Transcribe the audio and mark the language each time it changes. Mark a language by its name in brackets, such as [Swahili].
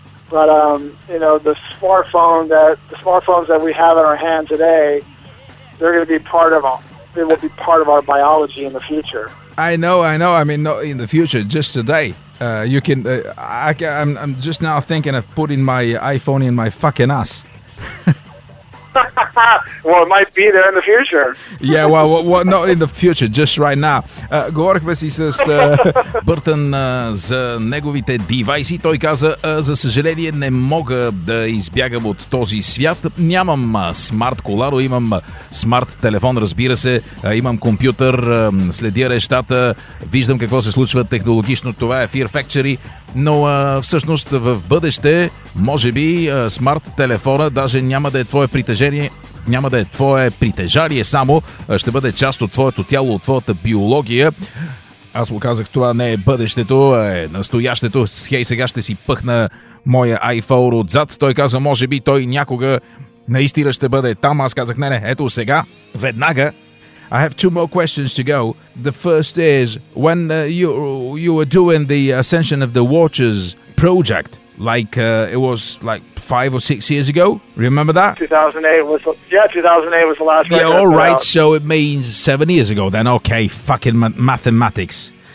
[English] But, the smartphones that we have in our hands today, they're going to be part of our biology in the future. I know. I mean, not in the future, just today. I'm just now thinking of putting my iPhone in my fucking ass. Well, it might be there in the future. Yeah, well, what, not in the future, just right now. [Bulgarian] Говорихме си с Бъртън за неговите девайси. Той каза, за съжаление не мога да избягам от този свят. Нямам смарт кола, но имам смарт телефон, разбира се. Имам компютър, следя рещата, виждам какво се случва технологично. Това е Fear Factory. Но всъщност в бъдеще, може би, смарт телефона даже няма да е твое притежение, няма да е твое притежание само, ще бъде част от твоето тяло, от твоята биология. Аз му казах, това не е бъдещето, а е настоящето. Хей, сега ще си пъхна моя iPhone отзад. Той каза, може би той някога наистина ще бъде там. Аз казах, не, ето сега, веднага. [English] I have two more questions to go. The first is, when you were doing the Ascension of the Watchers project, it was like 5 or 6 years ago, remember that? 2008 was the last record. Yeah, all right, so it means 7 years ago then. Okay, fucking mathematics.